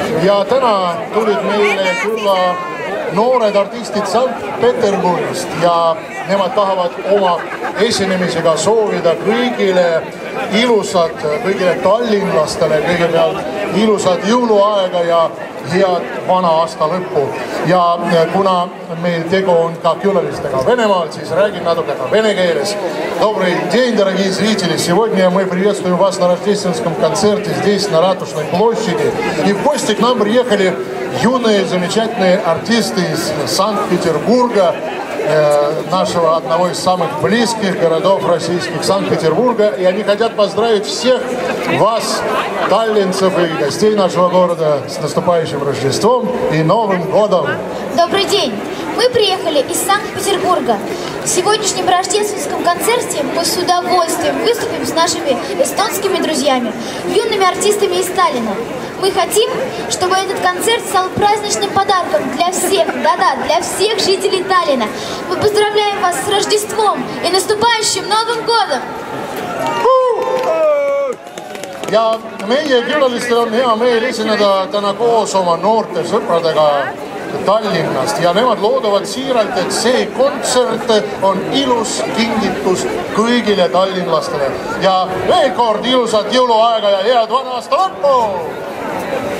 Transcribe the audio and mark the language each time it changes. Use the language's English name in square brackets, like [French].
[Estonian] Ja täna tulid meile tulla noored artistid Sankt-Peterburgist ja nemad tahavad oma esinemisega soovida kõigile ilusat, kõigile tallinlastele kõigepealt ilusat jõuluaega ja head vana aasta lõppu. Ja kuna meil tegu on ka külalistega Venemaal, siis räägin natuke ka vene keeles. [Russian] Добрый день, дорогие зрители! Сегодня мы приветствуем вас на рождественском концерте здесь, на Ратушной площади. И в гости к нам приехали юные замечательные артисты из Санкт-Петербурга, нашего одного из самых близких городов российских, Санкт-Петербурга. И они хотят поздравить всех вас, таллинцев и гостей нашего города, с наступающим Рождеством и Новым годом! Добрый день! Мы приехали из Санкт-Петербурга. В сегодняшнем рождественском концерте мы с удовольствием выступим с нашими эстонскими друзьями, юными артистами из Таллина. Мы хотим, чтобы этот концерт стал праздничным подарком для всех, да-да, для всех жителей Таллина. Мы поздравляем вас с Рождеством и наступающим Новым годом! [Estonian] Ja meie külalistel on hea meel esineda täna koos oma noorte sõpradega Tallinnast. Ja nemad loodavad siiralt, et see kontsert on ilus kingitus kõigile tallinlastele. Ja veel kord ilusat jõuluaega ja head vana aasta lõppu!